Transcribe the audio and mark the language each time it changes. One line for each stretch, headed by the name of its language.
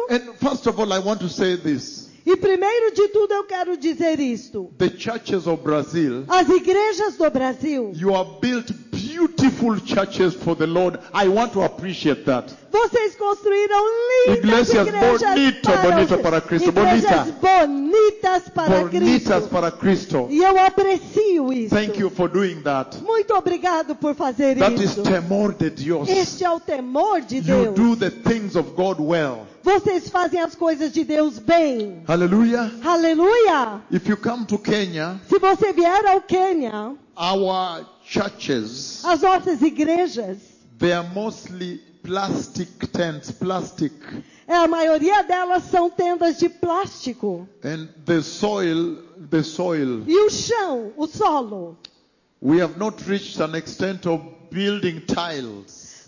English: And first of all, I want to say this.
Portuguese: E primeiro de tudo eu quero dizer isto.
English: The churches of Brazil,
Portuguese: as igrejas do Brasil.
English: You have built beautiful churches for the Lord. I want to appreciate that.
Portuguese: Vocês construíram lindas igrejas bonito, para Cristo. Igrejas bonitas para bonitas para Cristo. E eu aprecio isso.
English: Thank you for doing that.
Portuguese: Muito obrigado por fazer
English: that
Portuguese: isso. Is temor de Deus. Este é o temor de
English: you
Portuguese: Deus.
English: You do the things of God well.
Portuguese: Vocês fazem as coisas de Deus bem. Aleluia. Aleluia.
English: If you come to Kenya,
Portuguese: se você vier ao Quênia,
English: our churches,
Portuguese: as nossas igrejas,
English: they are mostly plastic tents, plastic.
Portuguese: É, a maioria delas são tendas de plástico.
English: And the soil.
Portuguese: E o chão, o solo.
English: We have not reached an extent of building tiles.